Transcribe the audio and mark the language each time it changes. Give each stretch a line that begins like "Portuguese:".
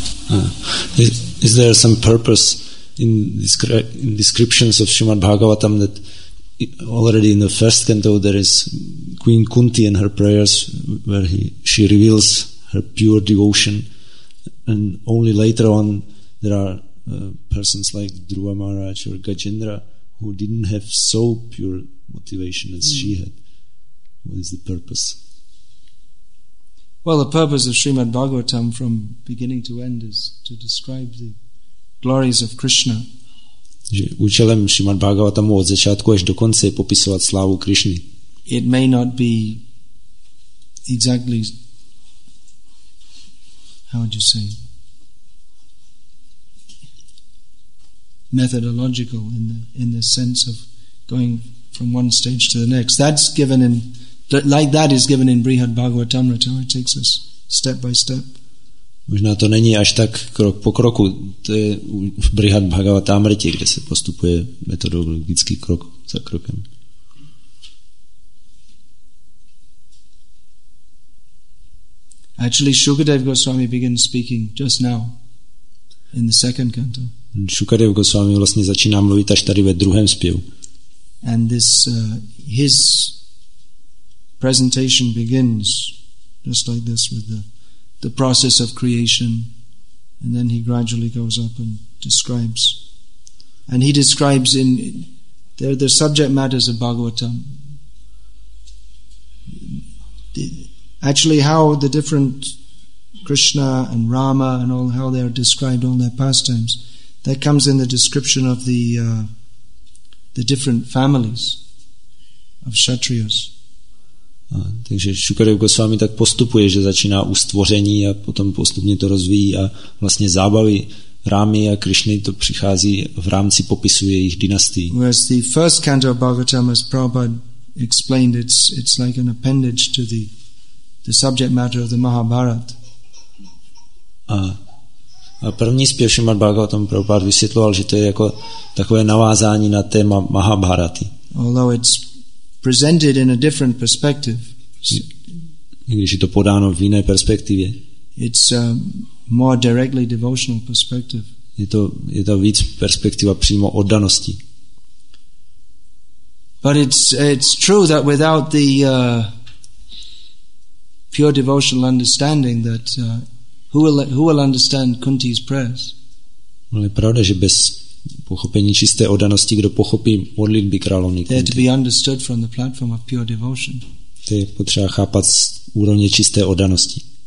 English: Is there some purpose in in descriptions of Srimad Bhagavatam that already in the first canto there is Queen Kunti and her prayers where she reveals her pure devotion, and only later on there are persons like Dhruva Maharaj or Gajendra who didn't have so pure motivation as she had. What is the purpose? Well, the purpose of Srimad Bhagavatam from beginning to end is to describe the glories of Krishna.
Czech: Účelem Srimad Bhagavatamu od začátku až do konce je popisovat slávu Krišny.
English: It may not be exactly, how would you say, methodological in the sense of going from one stage to the next. That's given in, like that is given in Brihad Bhagavatamrita, it takes us step by step.
Czech: Možná to není až tak krok po kroku, to je v Brihad Bhagavatamrita, kde se postupuje metodologický krok za krokem.
English: Actually, Shukadev Goswami began speaking just now in the second canto.
Czech: Shukadev Goswami vlastně začíná mluvit až tady ve druhém zpěvu.
English: And this his presentation begins just like this with the process of creation, and then he gradually goes up and describes. And he describes in the subject matters of Bhagavatam. Actually, how the different Krishna and Rama and all, how they are described, all their pastimes, that comes in the description of the different families of Kshatriyas.
Czech: Takže Shukadev Goswami tak postupuje, že začíná u stvoření a potom postupně to rozvíjí a vlastně zábavy Rámy a Krišny to přichází v rámci popisu jejich dynastii.
English: Whereas the first canto of Bhagavatam, as Prabhupada explained, it's like an appendage to the subject matter of the Mahabharata.
Czech: A první zpěv Srimad Bhagavatam Prabhupada vysvětloval, že to je jako takové navázání na téma Mahabharaty.
English: Although it's presented in a different perspective.
Czech: Když je to podáno v jiné perspektivě.
English: It's a more directly devotional perspective.
Czech: Je to víc perspektiva přímo oddanosti.
English: But it's true that without the pure devotional understanding, that who will understand Kunti's prayers?
Czech: No, je pravda, že bez pochopení čisté oddanosti, kdo pochopí modlitby královny Kunti.
English: To be understood from the platform of pure devotion.
Czech: To je potřeba chápat z úrovně čisté oddanosti.